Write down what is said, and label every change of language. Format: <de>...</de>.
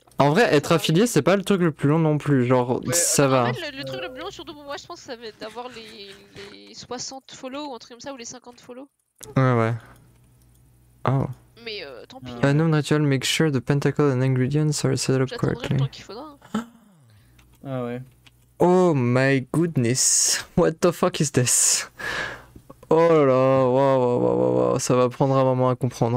<fr>En vrai, être affilié, c'est pas le truc le plus long non plus, genre, ouais, ça va. En fait, le truc le plus long, surtout pour moi, je pense que ça va être d'avoir les 60 follow, ou un truc comme ça, ou les 50 follow. Ouais, ouais. Oh. Mais tant pis. Un homme rituel,</fr> <en>make sure the pentacle and ingredients are set up correctly.</en> <fr>J'attendrai le temps qu'il faudra. Ah ouais.</fr> <en>Oh my goodness, what the fuck is this?</en> <fr>Oh là là, waouh, ça va prendre un moment à comprendre.</fr>